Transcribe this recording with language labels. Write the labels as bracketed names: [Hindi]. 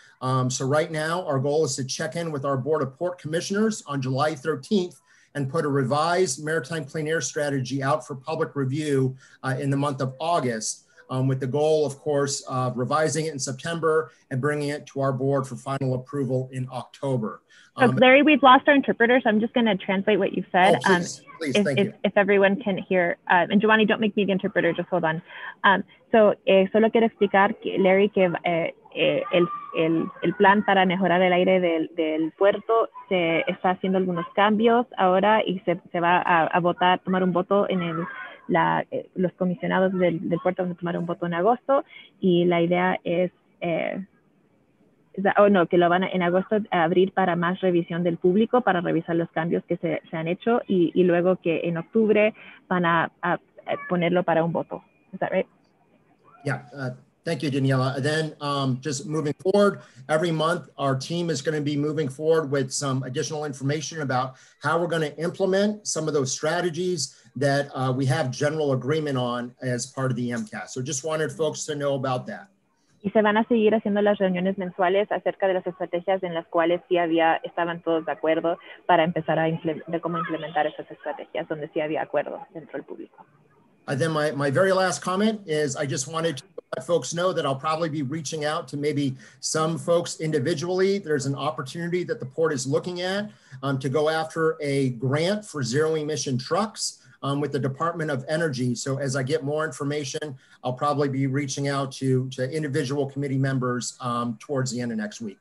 [English] So right now, our goal is to check in with our Board of Port Commissioners on July 13th and put a revised Maritime Clean Air Strategy out for public review in the month of August. With the goal, of course, of revising it in September and bringing it to our board for final approval in October. So, Larry, we've lost our interpreter, so I'm just going to translate what you said. Oh, please, thank you. If everyone can hear. And Giovanni, don't make me the interpreter, just hold on. [Spanish] Solo quiero explicar, Larry, que el plan para mejorar el aire del puerto se está haciendo algunos cambios ahora y se va a votar, tomar un voto en el... los comisionados del puerto van a tomar un voto en agosto y la idea es que lo van a en agosto a abrir para más revisión del público para revisar los cambios que se han hecho y luego que en octubre van a ponerlo para un voto. [English] Is that right? Yeah, thank you, Daniela. Then just moving forward, every month our team is going to be moving forward with some additional information about how we're going to implement some of those strategies that we have general agreement on as part of the MCAS. So just wanted folks to know about that. [Spanish] Y se van a seguir haciendo las reuniones mensuales acerca de las estrategias en las cuales sí había, estaban todos de acuerdo para empezar a de cómo implementar esas estrategias donde sí había acuerdo dentro del público. [English] And then my very last comment is I just wanted to let folks know that I'll probably be reaching out to maybe some folks individually. There's an opportunity that the port is looking at to go after a grant for zero emission trucks. With the Department of Energy. So as I get more information, I'll probably be reaching out to individual committee members towards the end of next week.